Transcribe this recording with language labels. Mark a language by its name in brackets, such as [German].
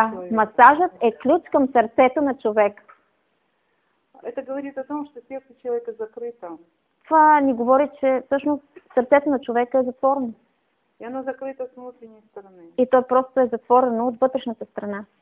[Bulgarian] Массажът е ключ към сърцето на човек. [Russian] Это говорит о том, что сердце человека закрыто. [Bulgarian] Това ни говори, че всъщност сърцето на човека е затворено. [Russian] И оно закрыто с внутренней стороны. [Bulgarian] И то просто е затворено от вътрешната страна.